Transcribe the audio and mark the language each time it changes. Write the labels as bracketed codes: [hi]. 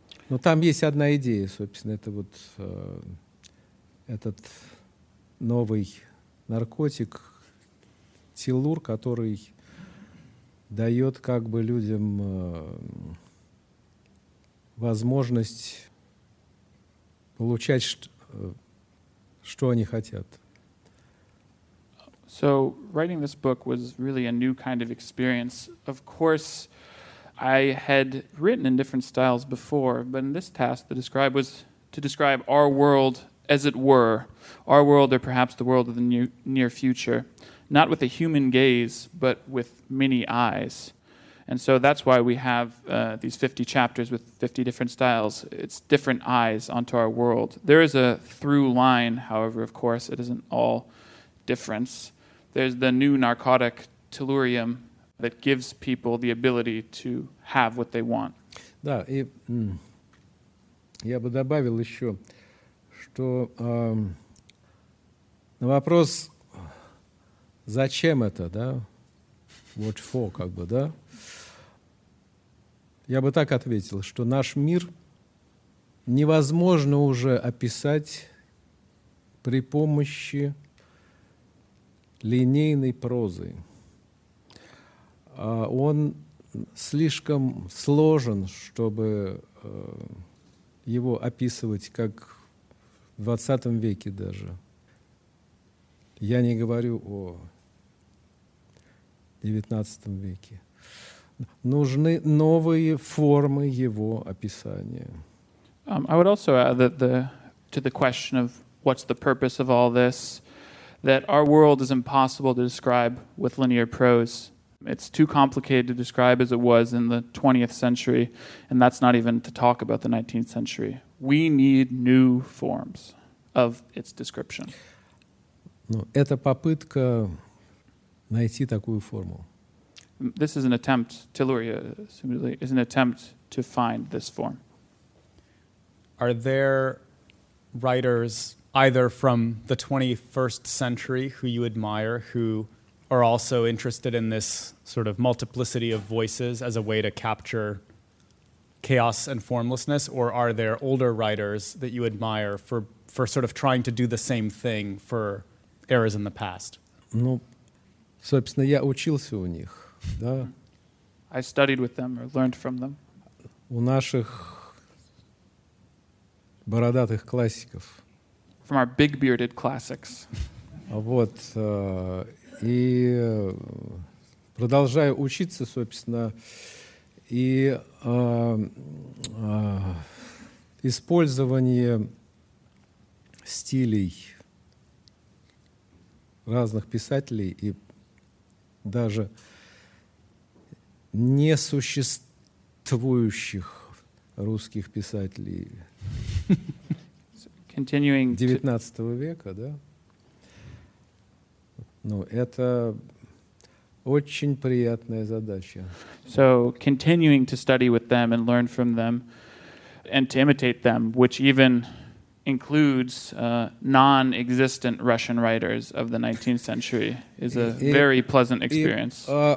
[ru] Но там есть одна идея, собственно, это вот этот новый наркотик теллур, который дает как бы людям возможность получать что они хотят. [en] So writing this book was really a new kind of experience. Of course, I had written in different styles before, but in this task, the describe was to describe our world as it were, our world or perhaps the world of the near future, not with a human gaze, but with many eyes. And so that's why we have these 50 chapters with 50 different styles. It's different eyes onto our world. There is a through line, however, of course, it isn't all difference. There's the new narcotic tellurium that gives people the ability to have what they want. [ru] Да, и я бы добавил еще, что на вопрос, зачем это, да, [en] what for, [ru] как бы, да, я бы так ответил, что наш мир невозможно уже описать при помощи линейной прозы. Он слишком сложен, чтобы его описывать, как в 20 веке даже. Я не говорю о 19 веке. Нужны новые формы его описания. [en] I would also add that to the question of what's the purpose of all this, that our world is impossible to describe with linear prose. It's too complicated to describe as it was in the 20th century, and that's not even to talk about the 19th century. We need new forms of its description. [ru] Ну, это попытка найти такую форму. [en] This is an attempt, Telluria, assumedly, is an attempt to find this form. Are there writers, either from the 21st century, who you admire, who are also interested in this sort of multiplicity of voices as a way to capture chaos and formlessness, or are there older writers that you admire for sort of trying to do the same thing for eras in the past? [ru] Ну, собственно, я учился у них, да. [en] I studied with them or learned from them. [ru] У наших бородатых классиков. [en] From our big bearded classics. [ru] Вот. И продолжаю учиться, собственно, и использование стилей разных писателей и даже несуществующих русских писателей 19 века, да? Ну, это очень приятная задача. [en] So, continuing to study with them and learn from them and to imitate them, which even includes non-existent Russian writers of the 19th century, is a very pleasant experience.